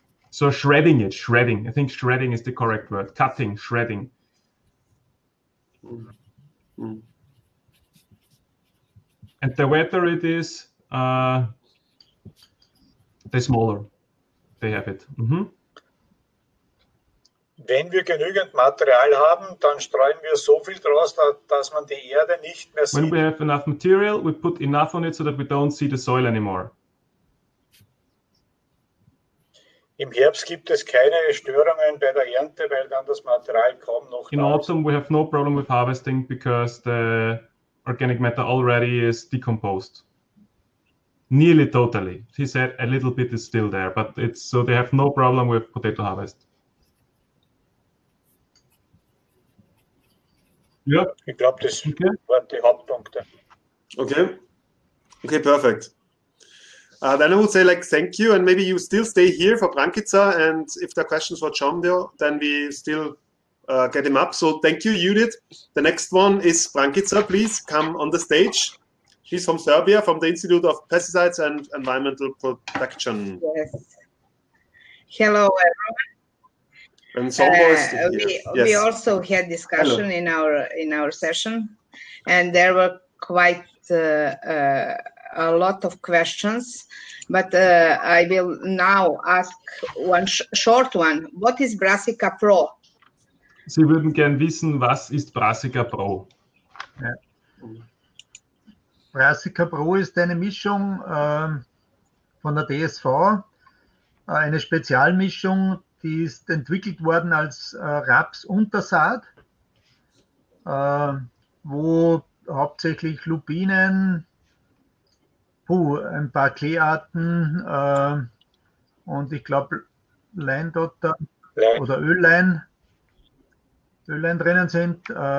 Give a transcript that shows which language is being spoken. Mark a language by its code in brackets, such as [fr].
[en] So shredding it. Shredding. I think shredding is the correct word. Cutting. Shredding. And the wetter it is, the smaller they have it. Mm-hmm. [de] Wenn wir genügend Material haben, dann streuen wir so viel draus, dass man die Erde nicht mehr sieht. [en] When we have enough material, we put enough on it, so that we don't see the soil anymore. [de] Im Herbst gibt es keine Störungen bei der Ernte, weil dann das Material kaum noch in da ist. [en] In autumn we have no problem with harvesting, because the organic matter already is decomposed. Nearly totally. He said a little bit is still there, but it's so they have no problem with potato harvest. [de] Ja, ich glaube, das waren die Hauptpunkte. [en] Okay, perfect. Then I would say, like, thank you, and maybe you still stay here for Brankica, and if there are questions for Chomdeo, then we still get him up. So thank you, Judith. The next one is Brankica. Please come on the stage. She's from Serbia, from the Institute of Pesticides and Environmental Protection. Yes. Hello, everyone. And Sombor is here. We also had discussion in our session, and there were quite a lot of questions, but I will now ask one short one. What is Brassica Pro? [de] Sie würden gern wissen, was ist Brassica Pro? Ja. Brassica Pro ist eine Mischung von der DSV, eine Spezialmischung, die ist entwickelt worden als Raps-Untersaat, wo hauptsächlich Lupinen, ein paar Kleearten und ich glaube Leindotter oder Öllein drinnen sind.